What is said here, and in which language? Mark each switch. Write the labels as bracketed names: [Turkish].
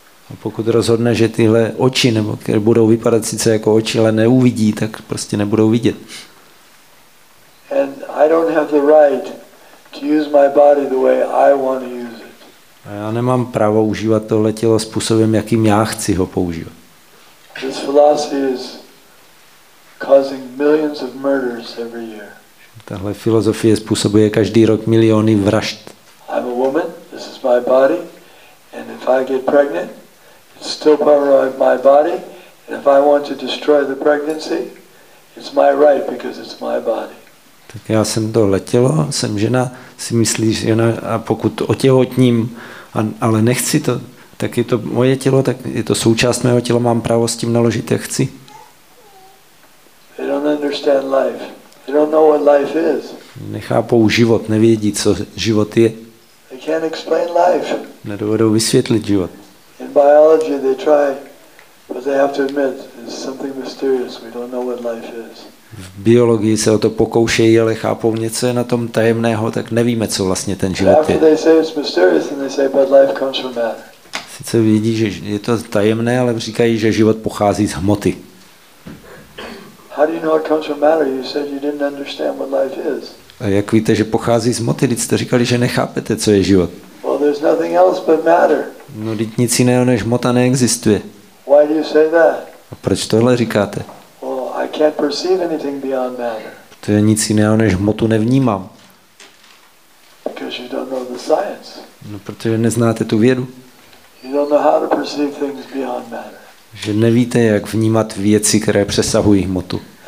[Czech] A pokud rozhodne, že tyhle oči, nebo které budou vypadat sice jako oči, ale neuvidí, tak prostě nebudou vidět. [English] And I don't have the right to use my body the way I want to use it. [Czech] A já nemám právo užívat tohle tělo způsobem, jakým já chci ho používat. [English] This philosophy is causing millions of murders every year. [Czech] Tahle filozofie způsobuje každý rok miliony vražd. [English] I'm a woman, this is my body, and if I get pregnant, it's still part of my body, and if I want to destroy the pregnancy, it's my right because it's my body. [Czech] Tak já jsem tohle tělo, jsem žena, si myslíš, žena, a pokud otěhotním, ale nechci to, tak je to moje tělo, tak je to součást mého těla, mám právo s tím naložit, jak chci. [English] They don't understand life. They don't know what life is. [Czech] Nechápou život, nevědí, co život je. [English] They can't explain life. [Czech] Nedovedou vysvětlit život. [English] In biology they try, but they have to admit it's something mysterious. We don't know what life is. [Czech] V biologii se o to pokoušejí, ale chápou něco je na tom tajemného, tak nevíme, co vlastně ten život je. [English] After they say it's mysterious, and they say but life comes from matter. [Czech] Sice vědí, že je to tajemné, ale říkají, že život pochází z hmoty. [English] How do you know it comes from matter? You said you didn't understand what life is. [Czech] A jak víte, že pochází z hmoty? Vy jste říkali, že nechápete, co je život. [English] Well, there's nothing else but matter. [Czech] No, teď nic jiného než hmota neexistuje. [English] Why do you say that? [Czech] A proč tohle říkáte? [English] Well, I can't perceive anything beyond matter. [Czech] Protože nic jiného než hmotu nevnímám. [English] Because you don't know the science. [Czech] No, protože neznáte tu vědu. [English] You don't know how to perceive things beyond matter. [Czech] Že nevíte, jak vnímat věci, které přesahují hmotu.